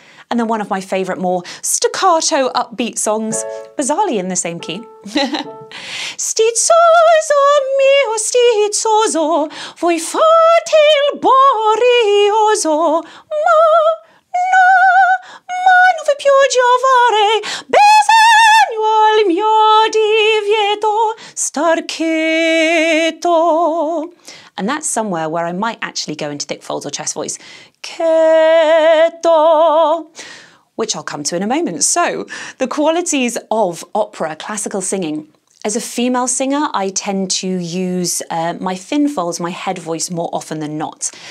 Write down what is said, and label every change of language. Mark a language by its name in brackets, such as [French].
[English] And then one of my favourite more staccato upbeat songs, bizarrely in the same key. [Italian] Stizzoso mio stizzoso, voi fate il borioso, ma no, ma non vi più giovare, bisogno al mio divieto, star cheto. [English] And that's somewhere where I might actually go into thick folds or chest voice. Cheto, which I'll come to in a moment. So, the qualities of opera, classical singing. As a female singer, I tend to use my thin folds, my head voice, more often than not.